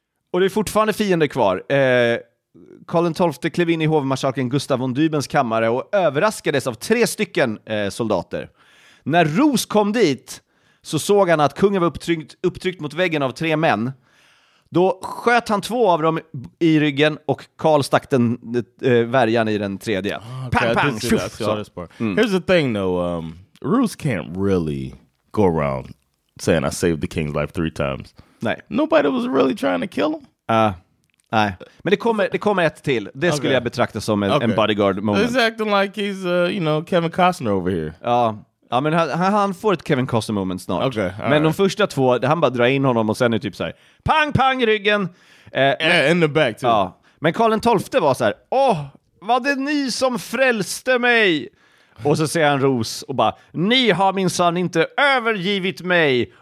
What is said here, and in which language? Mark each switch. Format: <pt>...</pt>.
<sv>Och det är fortfarande fiender kvar. Karl den 12:e klev in i hovmarskalken Gustav von Dybens kammare och överraskades av tre stycken soldater. När Ros kom dit så såg han att kungen var upptryckt mot väggen av tre män. Då sköt han två av dem i ryggen och Karl stack den värjan i den tredje. Pang,</sv> <en>pang. Here's the thing though. Ruse can't really go around saying I saved the king's life three times.</en> <sv>Nej.</sv> <en>Nobody was really trying to kill him.</en> <sv>Nej. Men det kommer ett till. Det skulle jag betrakta som en</sv> <en>bodyguard moment. He's acting like he's, you know, Kevin Costner over here.</en> <sv>Ja, men han får ett Kevin Costner moment snart.</sv> <en>Okay.</en> <sv>Men right. De första två, han bara drar in honom och sen är typ så här, pang, pang i ryggen.</sv> <en>In the back too.</en> <sv>Ja. Men Karl den 12:e var så här, åh, var det ni som frälste mig? Och så säger han Ros och bara, ni har min son inte övergivit mig.</sv>